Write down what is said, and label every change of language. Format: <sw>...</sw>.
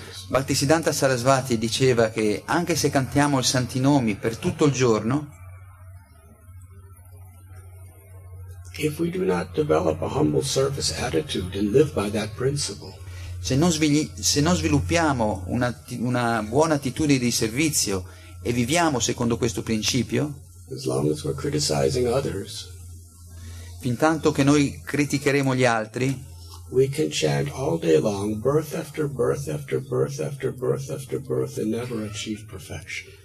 <it>Bhaktisiddhanta Sarasvati diceva che anche se cantiamo i santi nomi per tutto il giorno,</it> <en>if we do not develop a humble service attitude and live by that principle,</en> <it>se non sviluppiamo una buona attitudine di servizio e viviamo secondo questo principio,</it> <en>as long as we're criticizing others,</en> <it>fin tanto che noi criticheremo gli altri,</it> <en>we can chant all day long, birth after birth after birth after birth after birth, and never achieve perfection.</en>